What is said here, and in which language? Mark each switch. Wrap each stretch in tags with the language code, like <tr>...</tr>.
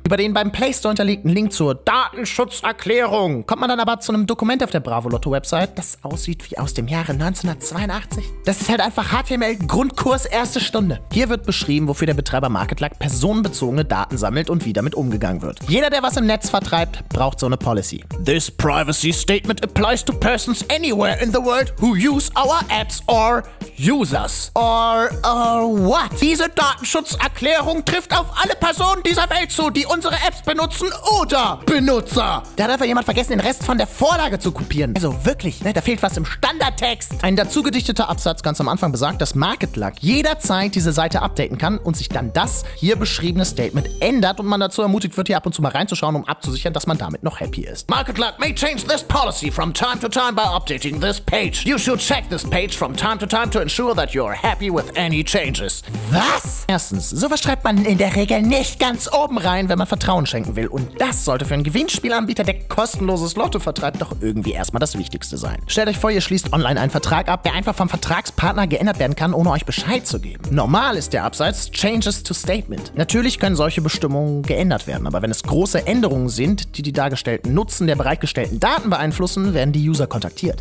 <de>Über den beim Play Store hinterlegten Link zur Datenschutzerklärung kommt man dann aber zu einem Dokument auf der Bravo Lotto Website, das aussieht wie aus dem Jahre 1982. Das ist halt einfach HTML Grundkurs erste Stunde. Hier wird beschrieben, wofür der Betreiber MarketLuck personenbezogene Daten sammelt und wie damit umgegangen wird. Jeder, der was im Netz vertreibt, braucht so eine Policy.</de> <en>This privacy statement applies to persons anywhere in the world who use our apps or users. Or what?</en> <de>Diese Datenschutzerklärung trifft auf alle Personen dieser Welt zu, die unsere Apps benutzen oder Benutzer. Da hat einfach jemand vergessen, den Rest von der Vorlage zu kopieren. Also wirklich, ne, da fehlt was im Standardtext. Ein dazu gedichteter Absatz ganz am Anfang besagt, dass MarketLuck jederzeit diese Seite updaten kann und sich dann das hier beschriebene Statement ändert und man dazu ermutigt wird, hier ab und zu mal reinzuschauen, um abzusichern, dass man damit noch happy ist.</de> <en>MarketLuck may change this policy from time to time by updating this page. You should check this page from time to time to ensure that you're happy with any changes.</en> <de>Was? Erstens, sowas schreibt man in der Regel nicht ganz oben rein, wenn man Vertrauen schenken will. Und das sollte für einen Gewinnspielanbieter, der kostenloses Lotto vertreibt, doch irgendwie erstmal das Wichtigste sein. Stellt euch vor, ihr schließt online einen Vertrag ab, der einfach vom Vertragspartner geändert werden kann, ohne euch Bescheid zu geben. Normal ist der Absatz Changes to Statement. Natürlich können solche Bestimmungen geändert werden, aber wenn es große Änderungen sind, die die dargestellten Nutzen der bereitgestellten Daten beeinflussen, werden die User kontaktiert.</de>